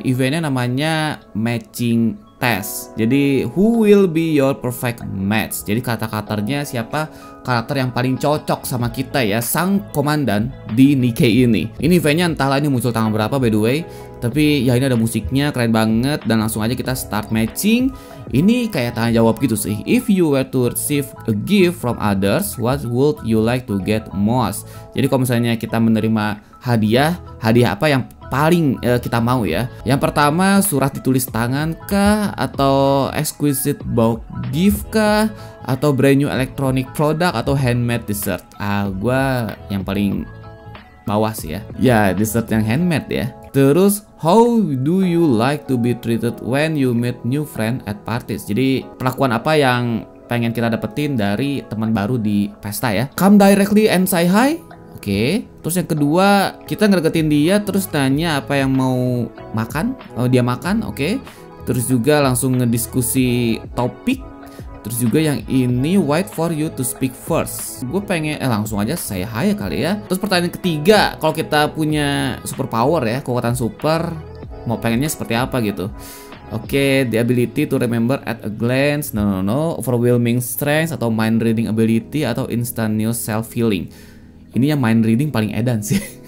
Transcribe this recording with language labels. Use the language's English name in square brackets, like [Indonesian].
[Indonesian] Eventnya namanya [English] Matching Test. [Indonesian] Jadi [English] who will be your perfect match? [Indonesian] Jadi kata-katanya siapa karakter yang paling cocok sama kita ya, sang komandan di Nike ini. Ini eventnya entahlah ini muncul tanggal berapa [English] by the way. [Indonesian] Tapi ya ini ada musiknya, keren banget. Dan langsung aja kita start matching. Ini kayak tanya jawab gitu sih. [English] If you were to receive a gift from others, what would you like to get most? [Indonesian] Jadi kalau misalnya kita menerima hadiah, hadiah apa yang paling kita mau ya? Yang pertama surat ditulis tangan kah? Atau [English] exquisite box gift [Indonesian] kah? Atau [English] brand new electronic product? [Indonesian] Atau [English] handmade dessert? [Indonesian] Gua yang paling bawah sih ya. Ya, dessert yang handmade ya. Terus, [English] how do you like to be treated when you meet new friend at parties? [Indonesian] Jadi, perlakuan apa yang pengen kita dapetin dari teman baru di pesta ya? [English] Come directly and say hi. [Indonesian] Oke. Terus yang kedua, kita ngereketin dia terus tanya apa yang mau makan. Oh, dia makan, oke. Terus juga langsung ngediskusi topik. Terus juga yang ini, [English] wait for you to speak first. [Indonesian] Gue pengen, langsung aja [English] say hi [Indonesian] kali ya. Terus pertanyaan ketiga, kalau kita punya super power ya, kekuatan super, mau pengennya seperti apa gitu. [English] Oke, the ability to remember at a glance, no. Overwhelming strength, atau mind reading ability, atau instantaneous self healing. [Indonesian] Ini yang mind reading paling edan sih.